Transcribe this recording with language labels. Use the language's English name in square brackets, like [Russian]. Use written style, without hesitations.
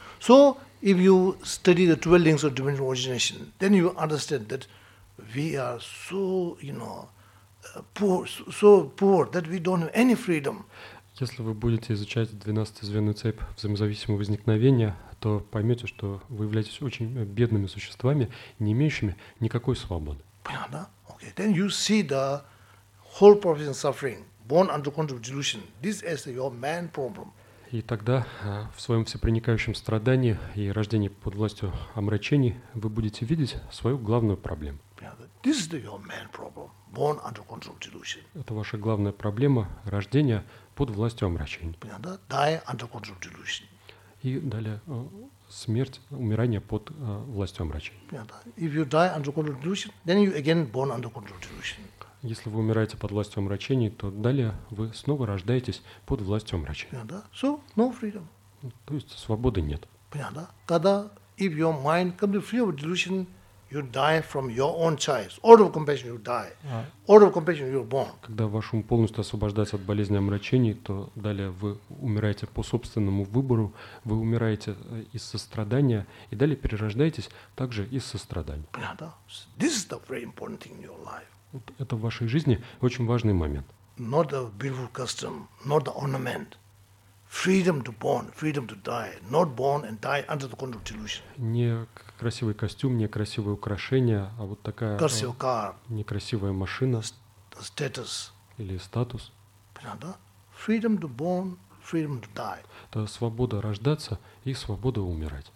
[English] So if you study the 12 links of dimensional origination, then you understand that we are so, you know, poor, so poor that we don't have any freedom. [Russian] Если вы будете изучать 12-звенную цепь взаимозависимого возникновения, то поймете, что вы являетесь очень бедными существами, не имеющими никакой свободы. Понятно? [English] Okay. Then you see the whole process of suffering, born under control of delusion. This is your main problem. [Russian] И тогда в своем всепроникающем страдании и рождении под властью омрачений вы будете видеть свою главную проблему. Понятно? [English] This is your main problem. Born under control delusion. [Russian] Это ваша главная проблема – рождение под властью омрачения. Понятно? [English] Die under control delusion. [Russian] И далее смерть, умирание под властью омрачения. Понятно? [English] If you die under control delusion, then you again born under control delusion. [Russian] Если вы умираете под властью омрачений, то далее вы снова рождаетесь под властью омрачений. Понятно? [English] So, no freedom. [Russian] То есть свободы нет. Понятно? Когда, [English] if your mind completely free of delusion, you die from your own choice. Out of compassion, you die. Out of compassion, you're born. [Russian] Когда ваш ум полностью освобождается от болезни омрачений, то далее вы умираете по собственному выбору, вы умираете из сострадания, и далее перерождаетесь также из сострадания. Понятно? [English] So, this is the very important thing in your life. [Russian] Это в вашей жизни очень важный момент. [English] Not a beautiful custom, not an ornament. Freedom to born, freedom to die. Not born and die under the control of delusion. [Russian] Не красивый костюм, не красивое украшение, а вот такая красивый [English] car, [Russian] некрасивая машина. [English] Status. [Russian] Или статус. Понятно? [English] Freedom to born, freedom to die. [Russian] Это свобода рождаться и свобода умирать.